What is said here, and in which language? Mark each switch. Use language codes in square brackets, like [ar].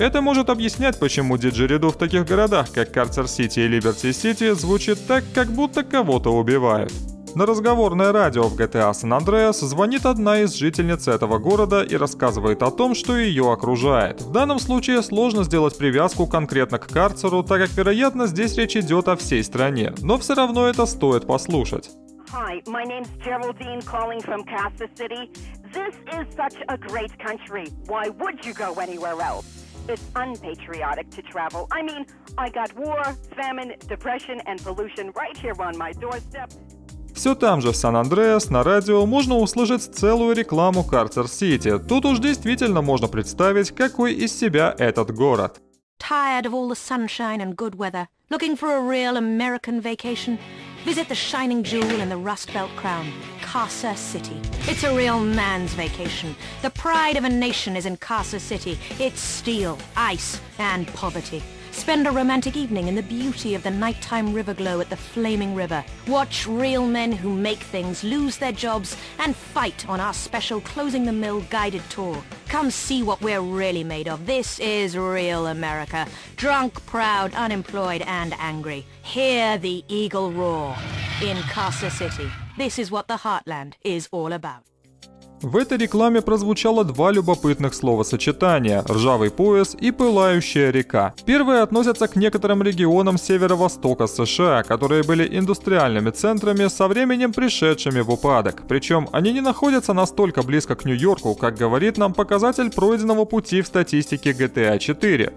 [ru] Это может объяснять, почему Диджериду в таких городах, как Карсер Сити и Liberty City, звучит так, как будто кого-то убивают. На разговорное радио в GTA San Andreas звонит одна из жительниц этого города и рассказывает о том, что ее окружает. В данном случае сложно сделать привязку конкретно к карцеру, так как, вероятно, здесь речь идет о всей стране. Но все равно это стоит послушать. [en] Hi, my name's Geraldine, calling from Kansas City. This is such a great country. Why would you go anywhere else? It's unpatriotic to travel. I mean, I got war, famine, depression and pollution right here on my doorstep. [ru] Все там же, в Сан-Андреас, на радио можно услышать целую рекламу Карсер Сити. Тут уж действительно можно представить, какой из себя этот город. [en] Tired of all the sunshine and good weather. Looking for a real American vacation? Visit the shining jewel in the Rust Belt crown, Carsa City. It's a real man's vacation. The pride of a nation is in Carsa City. It's steel, ice and poverty. Spend a romantic evening in the beauty of the nighttime river glow at the Flaming River. Watch real men who make things lose their jobs and fight on our special Closing the Mill guided tour. Come see what we're really made of. This is real America. Drunk, proud, unemployed and angry. Hear the eagle roar in Carsa City. This is what the heartland is all about. [ru] В этой рекламе прозвучало два любопытных словосочетания – «ржавый пояс» и «пылающая река». Первые относятся к некоторым регионам северо-востока США, которые были индустриальными центрами, со временем пришедшими в упадок. Причем они не находятся настолько близко к Нью-Йорку, как говорит нам показатель пройденного пути в статистике GTA 4.